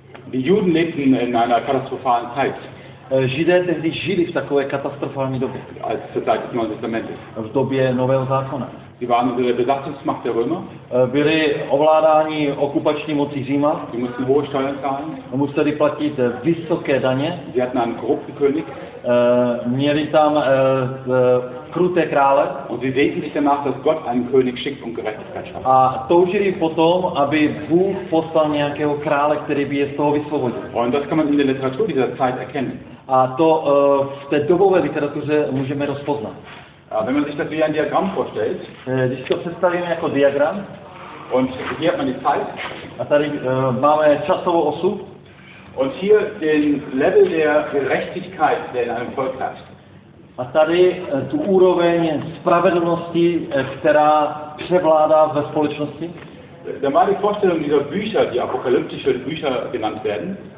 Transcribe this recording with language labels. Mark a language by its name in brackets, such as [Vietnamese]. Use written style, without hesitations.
[German] Die Juden lebten in einer katastrophalen Zeit. [Czech] Židé tehdy žili v takové katastrofální době. [German] Als zur Zeit des Neuen Testamentes. [Czech] V době Nového zákona. [German] Die waren unter der Besatzungsmacht der Römer. [Czech] Byli ovládáni okupační mocí Říma. [German] Die mussten hohe Steuern zahlen. [Czech] Museli platit vysoké daně. [German] Sie hatten einen korrupten König. [Czech] Měli tam kruté krále. [German] Und sie sehnten sich danach, dass Gott einen König schickt, um Gerechtigkeit schafft. [Czech] A toužili potom, aby Bůh poslal nějakého krále, který by je z toho vysvobodil. [German] Und das kann man in der Literatur dieser Zeit erkennen. [Czech] A to v té dobové literatuře můžeme rozpoznat. [German] Wenn man sich das wie ein Diagramm vorstellt, [Czech] když to představíme jako diagram, [German] und hier hat man die Zeit, [Czech] a tady máme časovou osu, [German] und hier den Level der Gerechtigkeit, der in einem Volk herrscht. [Czech] A tady tu úroveň spravedlnosti, která převládá ve společnosti. [German] Dann war die Vorstellung dieser Bücher, die apokalyptische Bücher genannt werden.